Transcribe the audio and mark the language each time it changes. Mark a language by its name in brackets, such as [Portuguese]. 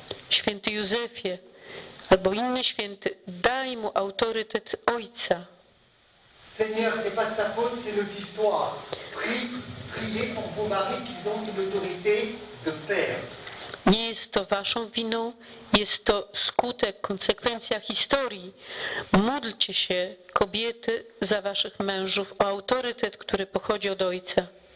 [Polish] Święty Józefie, albo inny święty, daj mu autorytet Ojca. [French] Seigneur, c'est pas de sa faute, c'est de l'histoire. Priez pour vos maris qui ont une autorité de père. [Polish] Nie jest to waszą winą, jest to skutek, konsekwencja historii. Módlcie się, kobiety, za waszych mężów o autorytet, który pochodzi od ojca.